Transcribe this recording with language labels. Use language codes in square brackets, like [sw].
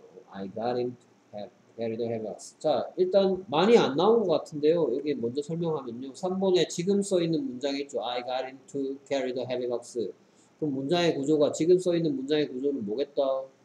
[en] I got him to carry the heavy box. [ko] 자, 일단 많이 안 나온 것 같은데요. 여기 먼저 설명하면요. 3번에 지금 써 있는 문장이 있죠. [en] I got him to carry the heavy box. [ko] 그럼 문장의 구조가 지금 써 있는 문장의 구조는 뭐겠다?